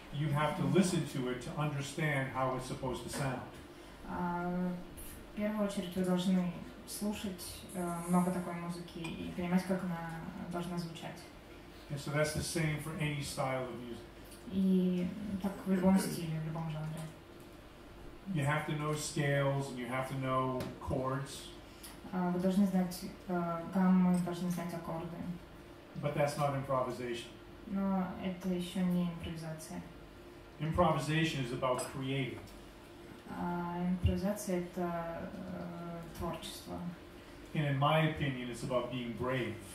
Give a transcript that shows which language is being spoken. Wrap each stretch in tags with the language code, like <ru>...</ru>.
<en>you have to listen to it to understand how it's supposed to sound.</en> <ru>В первую очередь вы должны слушать много такой музыки и понимать, как она должна звучать.</ru> <en>And so that's the same for any style of music.</en> <ru>И так в любом стиле, в любом жанре.</ru> <en>You have to know scales and you have to know chords.</en> <ru>Вы должны знать гаммы, вы должны знать аккорды.</ru> <en>But that's not improvisation.</en> <ru>Но это еще не импровизация.</ru> <en>Improvisation is about creating.</en> <ru>Импровизация — это творчество.</ru> <en>And in my opinion, it's about being brave.</en>